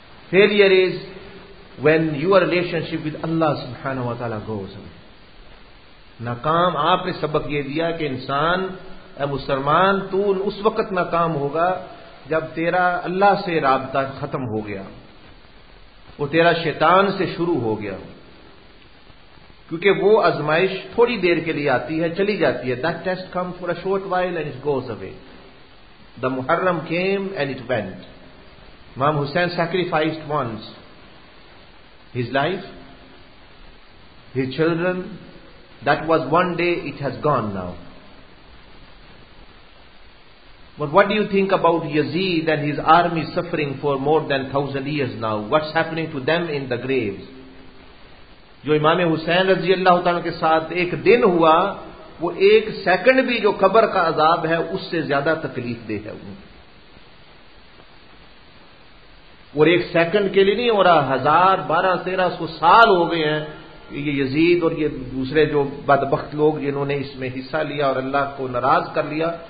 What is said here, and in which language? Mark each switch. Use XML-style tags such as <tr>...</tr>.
<en>Failure is when your relationship with Allah subhanahu wa ta'ala goes away.</en> <ur>ناکام, آپ نے سبق یہ دیا کہ انسان اے مسلمان تو اس وقت ناکام ہوگا جب تیرا اللہ سے رابطہ ختم ہو گیا, وہ تیرا شیطان سے شروع ہو گیا. کیونکہ وہ ازمائش تھوڑی دیر کے لیے آتی ہے, چلی جاتی ہے.</ur> <en>That test comes for a short while and it goes away. The Muharram came and it went. Imam Hussain sacrificed once his life, his children, that was one day, it has gone now. But what do you think about Yazid and his army suffering for more than 1,000 years now? What's happening to them in the graves?</en> <ur>جو امام حسین رضی اللہ عنہ کے ساتھ ایک دن ہوا وہ ایک سیکنڈ بھی جو قبر کا عذاب ہے اس سے زیادہ تکلیف دہ ہے. اور ایک سیکنڈ کے لیے نہیں ہو رہا, 1,000, 1,200, 1,300 سال ہو گئے ہیں یہ یزید اور یہ دوسرے جو بدبخت لوگ جنہوں نے اس میں حصہ لیا اور اللہ کو ناراض کر لیا.</ur>